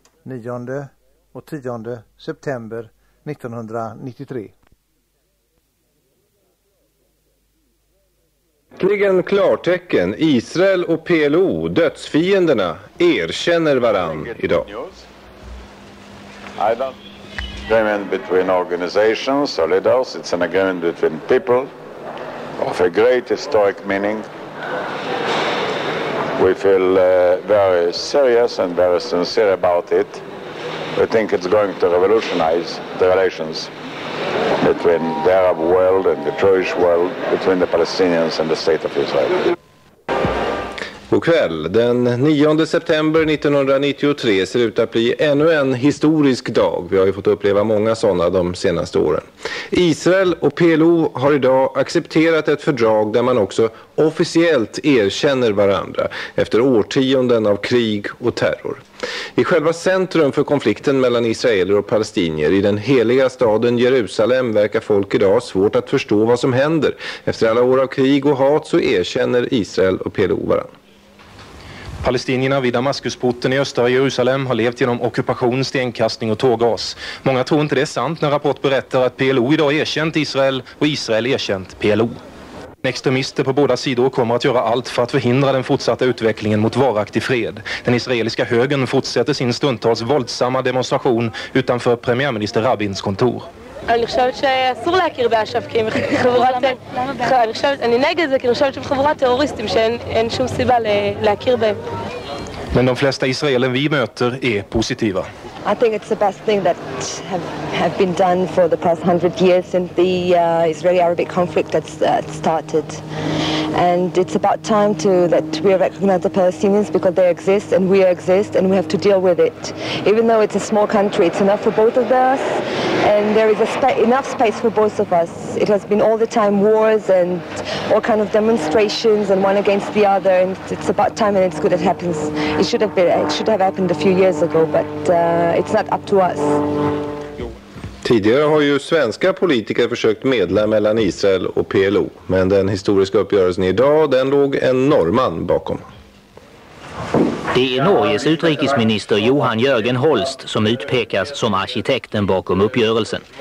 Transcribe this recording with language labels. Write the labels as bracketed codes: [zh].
[sv] 9 och 10 september 1993. Äntligen klartecken. Israel och PLO, dödsfienderna, erkänner varann idag. [en] I don't agreement between organizations or leaders. It's an agreement between people of a great historic meaning. We feel very serious and very sincere about it. We think it's going to revolutionize the relations between the Arab world and the Jewish world, between the Palestinians and the state of Israel. [sv] På kväll, den 9 september 1993, ser ut att bli ännu en historisk dag. Vi har ju fått uppleva många sådana de senaste åren. Israel och PLO har idag accepterat ett fördrag där man också officiellt erkänner varandra efter årtionden av krig och terror. I själva centrum för konflikten mellan israeler och palestinier, i den heliga staden Jerusalem, verkar folk idag svårt att förstå vad som händer. Efter alla år av krig och hat så erkänner Israel och PLO varandra. Palestinierna vid Damaskusporten i östra Jerusalem har levt genom ockupation, stenkastning och tårgas. Många tror inte det är sant när rapport berättar att PLO idag erkänt Israel och Israel erkänt PLO. Extremister på båda sidor kommer att göra allt för att förhindra den fortsatta utvecklingen mot varaktig fred. Den israeliska högern fortsätter sin stundtals våldsamma demonstration utanför premiärminister Rabins kontor. [he] אני חושבת שאסור להכיר באשף, כי הם חבורת... אני חושבת, אני נגד זה, כי אני חושבת שהם חבורת טרוריסטים, שאין שום סיבה להכיר בהם. [sv] Men de flesta israeler vi möter är positiva. [en] I think it's the best thing that have been done for the past 100 years since the Israeli-Arabic conflict that started. And it's about time to that we recognize the Palestinians because they exist and we exist and we have to deal with it. Even though it's a small country, it's enough for both of us and there is enough space for both of us. It has been all the time wars and all kind of demonstrations and one against the other, and it's about time and it's good it happens. It should have happened a few years ago, but it's not up to us. [sv] Tidigare har ju svenska politiker försökt medla mellan Israel och PLO, men den historiska uppgörelsen idag, den låg en norrman bakom. Det är Norges utrikesminister Johan Jörgen Holst som utpekas som arkitekten bakom uppgörelsen.